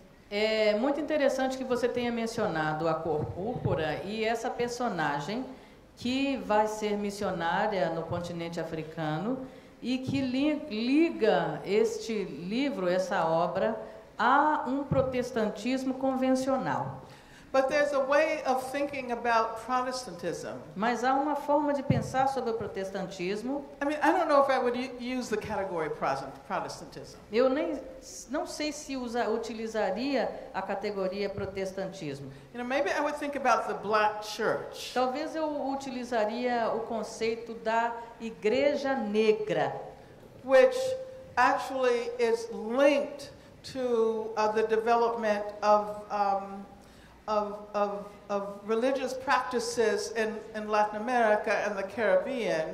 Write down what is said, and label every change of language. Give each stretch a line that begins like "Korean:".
Portuguese: É muito interessante que você tenha mencionado A Cor Púrpura e essa personagem que vai ser missionária no continente africano e que liga este livro, essa obra, há um protestantismo convencional.
English: But there's a way of thinking about Protestantism.
Portuguese: Mas há uma forma de pensar sobre o protestantismo.
English: I mean, I don't know if I would use the category Protestantism.
Portuguese: Eu nem não sei se utilizaria a categoria protestantismo.
English: You know, maybe I would think about the Black Church.
Portuguese: Talvez eu utilizaria o conceito da Igreja Negra,
English: which actually is linked to the development of religious practices in Latin America and the Caribbean.